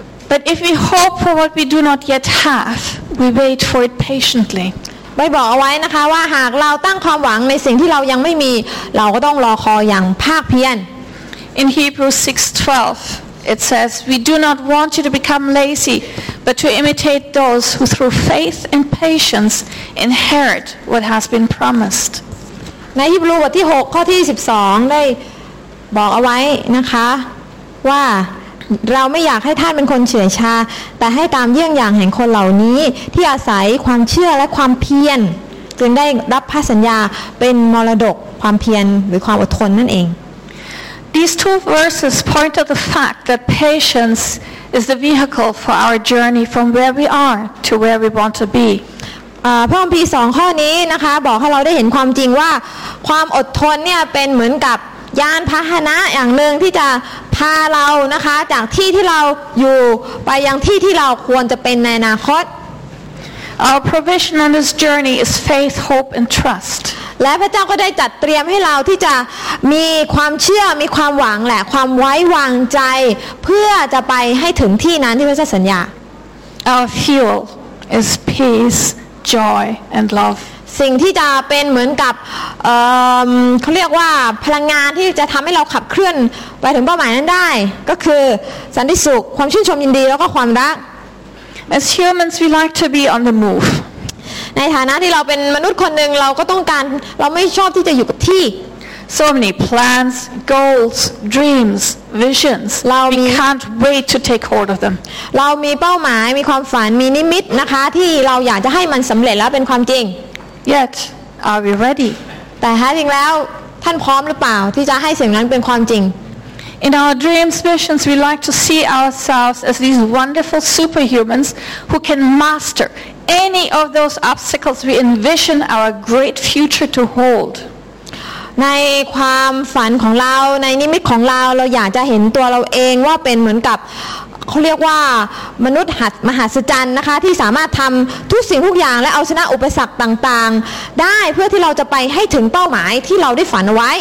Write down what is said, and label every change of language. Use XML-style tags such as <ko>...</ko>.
<en>But if we hope for what we do not yet have, we wait for it patiently.</en> <th>ไว้บอกเอาไว้นะคะว่าหากเราตั้งความหวังในสิ่งที่เรายังไม่มีเราก็ต้องรอคอยอย่างภาคเพียร</th> <en>In Hebrews 6:12 it says, we do not want you to become lazy, but to imitate those who through faith and patience inherit what has been promised.</en> <th>ในฮีบรูบทที่6ข้อที่12ได้บอกเอาไว้นะคะว่าเราไม่อยากให้ท่านเป็นคนเฉื่อยชาแต่ให้ตามเยี่ยงอย่างแห่งคนเหล่านี้ที่อาศัยความเชื่อและความเพียรจึงได้รับพระสัญญาเป็นมรดกความเพียรหรือความอดทนนั่นเอง</th> <en>These two verses point to the fact that patience is the vehicle for our journey from where we are to where we want to be</en> <th>พระคัมภีร์2ข้อนี้นะคะบอกให้เราได้เห็นความจริงว่าความอดทนเนี่ยเป็นเหมือนกับยานพาหนะอย่างนึงที่จะพาเรานะคะจากที่ที่เราอยู่ไปยังที่ที่เราควรจะเป็นในอนาคต</th> <en>Our provision on this journey is faith, hope and trust</en> <th>และพระเจ้าก็ได้จัดเตรียมให้เราที่จะมีความเชื่อมีความหวังและความไว้วางใจเพื่อจะไปให้ถึงที่นั้นที่พระเจ้าสัญญา</th> <en>Our fuel is peace, joy and love</en> <th>สิ่งที่จะเป็นเหมือนกับเขาเรียกว่าพลังงานที่จะทำให้เราขับเคลื่อนไปถึงเป้าหมายนั้นได้ก็คือสันติสุขความชื่นชมยินดีแล้วก็ความรัก</th> <en>As humans we like to be on the move</en> <th>ในฐานะที่เราเป็นมนุษย์คนหนึ่งเราก็ต้องการเราไม่ชอบที่จะอยู่กับที่</th> <en>So many plans goals dreams visions</en> <th>เรา</th> <en>we can't wait to take hold of them</en> <th>เรามีเป้าหมายมีความฝันมีนิมิตนะคะที่เราอยากจะให้มันสำเร็จแล้วเป็นความจริง</th> <en>Yet, are we ready?</en> <th>แต่จริงแล้วท่านพร้อมหรือเปล่าที่จะให้สิ่งนั้นเป็นความจริง</th> <en>In our dreams, visions, we like to see ourselves as these wonderful superhumans who can master any of those obstacles we envision our great future to hold.</en> <th>ในความฝันของเราในนิมิตของเราเราอยากจะเห็นตัวเราเองว่าเป็นเหมือนกับเขาเรียกว่ามนุษย์หัดมหัศจรรย์นะคะที่สามารถทำทุกสิ่งทุกอย่างและเอาชนะอุปสรรคต่างๆได้เพื่อที่เราจะไปให้ถึงเป้าหมายที่เราได้ฝันเอาไว</th>